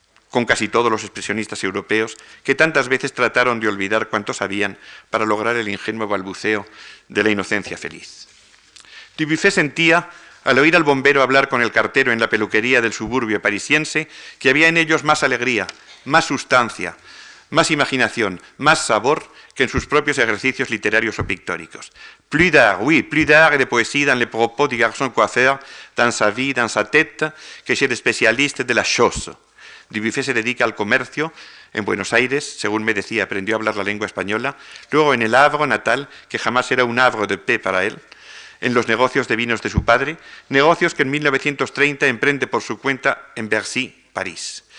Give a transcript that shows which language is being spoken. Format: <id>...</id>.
<es>con casi todos los expresionistas europeos, que tantas veces trataron de olvidar cuanto sabían para lograr el ingenuo balbuceo de la inocencia feliz. Dubuffet sentía, al oír al bombero hablar con el cartero en la peluquería del suburbio parisiense, que había en ellos más alegría, más sustancia, más imaginación, más sabor que en sus propios ejercicios literarios o pictóricos.</es> <fr>Plus d'art, oui, plus d'art et de poésie dans les propos du garçon coiffeur, dans sa vie, dans sa tête, que chez les spécialistes de la chose.</fr> <es>Dubuffet se dedica al comercio en Buenos Aires, según me decía, aprendió a hablar la lengua española, luego en el Havre natal, que jamás era un</es> <fr>Havre de paix</fr> <es>para él, en los negocios de vinos de su padre, negocios que en 1930 emprende por su cuenta en Bercy, París.</es>